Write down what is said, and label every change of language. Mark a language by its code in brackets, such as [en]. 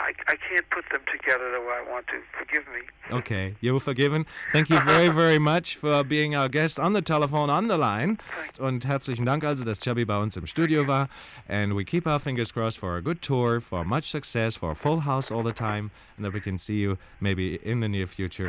[en] I can't put them together the way I want to. Forgive me. Okay, you're forgiven. Thank you very, very much for being our guest on the telephone, on the line. Thanks. [de] Und herzlichen Dank also, dass Chubby bei uns im Studio war. [en] And we keep our fingers crossed for a good tour, for much success, for a full house all the time, and that we can see you maybe in the near future.